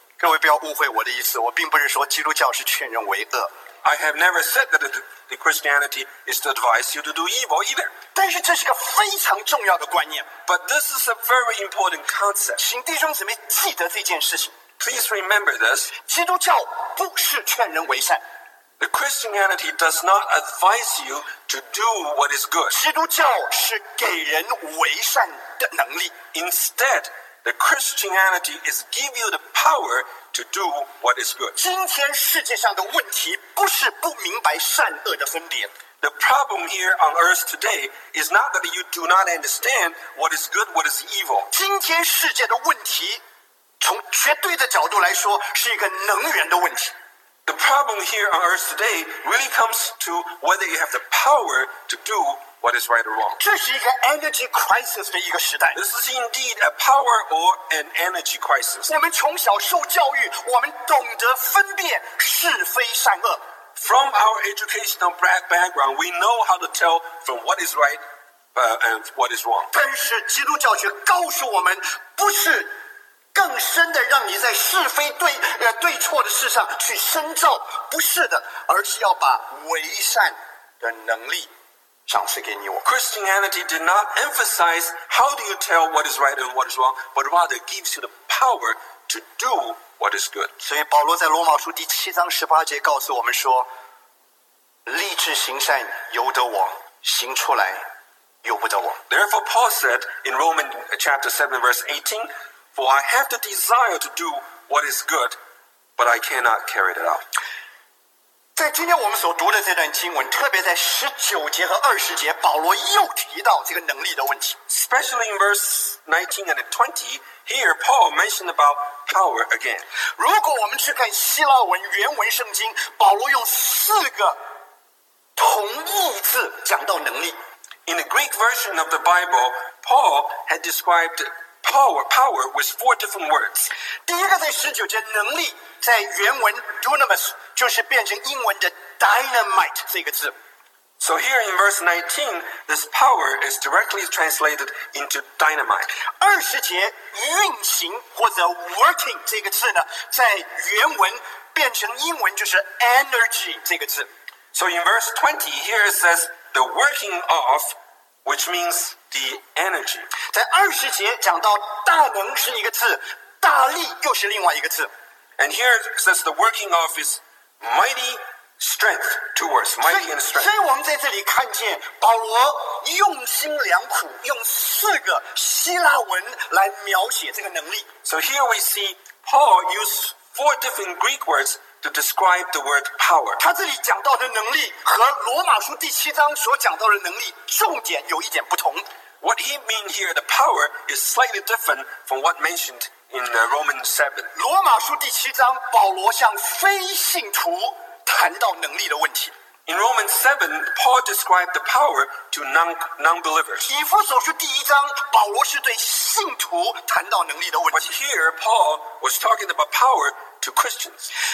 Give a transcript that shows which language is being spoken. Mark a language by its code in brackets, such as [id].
[zh] 各位不要误会我的意思，我并不是说基督教是劝人为恶。 [en] I have never said that the Christianity is to advise you to do evil either. [zh] 但是这是个非常重要的观念。 [en] But this is a very important concept. [zh] 请弟兄姊妹记得这件事情。 [en] Please remember this. [zh] 基督教不是劝人为善。 [en] The Christianity does not advise you to do what is good. [zh] 基督教是给人为善的能力。 [en] Instead, the Christianity is give you the power. To do what is good. [zh] 今天世界上的问题不是不明白善恶的分别。 [en] The problem here on earth today is not that you do not understand what is good, what is evil. [zh] 今天世界的问题，从绝对的角度来说，是一个能源的问题。 [en] The problem here on earth today really comes to whether you have the power to do what is right or wrong. [zh] 这是一个 [en] energy crisis [zh] 的一个时代。 [en] This is indeed a power or an energy crisis. [zh] 我们从小受教育，我们懂得分辨是非善恶。 [en] From our educational background, we know how to tell from what is right, and what is wrong. [zh] 但是基督教却告诉我们，不是。更深的让你在是非 对错的事上去深造不是的而是要把为善的能力赏赐给你我 [en] Christianity did not emphasize how do you tell what is right and what is wrong but rather gives you the power to do what is good [zh] 所以保罗在罗马书第七章十八节告诉我们说立志行善由得我行出来由不得我 [en] Therefore Paul said in Romans chapter 7 verse 18For I have the desire to do what is good, but I cannot carry it out. [zh] 在今天我们所读的这段经文，特别在十九节和二十节，保罗又提到这个能力的问题。 [en] Especially in verse 19 and 20, here Paul mentioned about power again. [zh] 如果我们去看希腊文原文圣经，保罗用四个同义字讲到能力。 [en] In the Greek version of the Bible, Paul had described. Power with four different words. [zh] 第一个在十九节，能力在原文 dunamis 就是变成英文的 dynamite 这个字。 [en] So here in verse 19, this power is directly translated into dynamite. [zh] 二十节，运行或者 working 这个字呢，在原文变成英文就是 energy 这个字。 [en] So in verse 20, here it says the working of. Which means the energy. [zh] 在二十节讲到大能是一个字，大力又是另外一个字。 [en] And here says the working of is mighty strength towards mighty and strength. [zh] 所以我们在这里看见保罗用心良苦，用四个希腊文来描写这个能力。 [en] So here we see Paul use four different Greek words to describe the word power. [zh] 他这里讲到的能力和罗马书第七章所讲到的能力重点有一点不同。 [en] What he means here, the power is slightly different from what mentioned in Romans 7. [zh] 罗马书第七章，保罗向非信徒谈到能力的问题。 [en] In Romans 7, Paul described the power to non-believers. [zh] 以弗所书第一章，保罗是对信徒谈到能力的问题。 [en] But here, Paul was talking about power to Christians.